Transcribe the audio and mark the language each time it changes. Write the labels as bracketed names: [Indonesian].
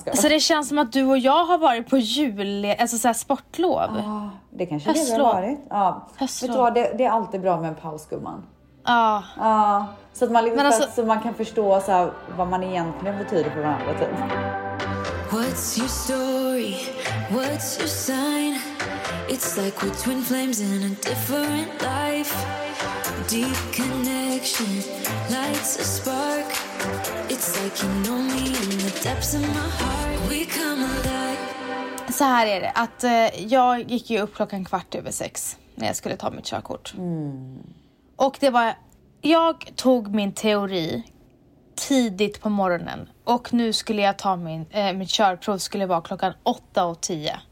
[Swedish] Så det känns som att du och jag har varit på jul, alltså så här sportlov. Ah, det kanske höstlov. Det har varit. Ah. Vet du vad, det är alltid bra med en pausgumman. Ja. Ah. Ah. Så att man liksom alltså, så man kan förstå så här, vad man egentligen betyder för varandra. [English] Typ. What's your story? What's your sign? It's like we're twin flames in a different life. Deep connection, lights a spark. It's like you know me in the depths of my heart. We come alive. [Swedish] Så här är det, att jag gick ju upp klockan 5:45 när jag skulle ta mitt körkort. Mm. Och det var, jag tog min teori tidigt på morgonen. Och nu skulle jag ta mitt körprov skulle vara 8:10.